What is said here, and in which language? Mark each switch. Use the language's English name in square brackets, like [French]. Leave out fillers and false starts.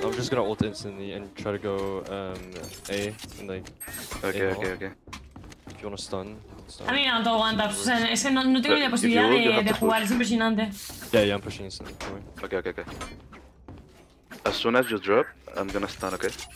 [English] I'm just gonna ult instantly and try to go A. And like, okay. If you wanna stun. I mean, I don't want that. [Spanish] Es que no tengo ni la posibilidad de jugar, es impresionante. [English] Yeah, I'm pushing instantly. Okay. As soon as you drop, I'm gonna stun, okay?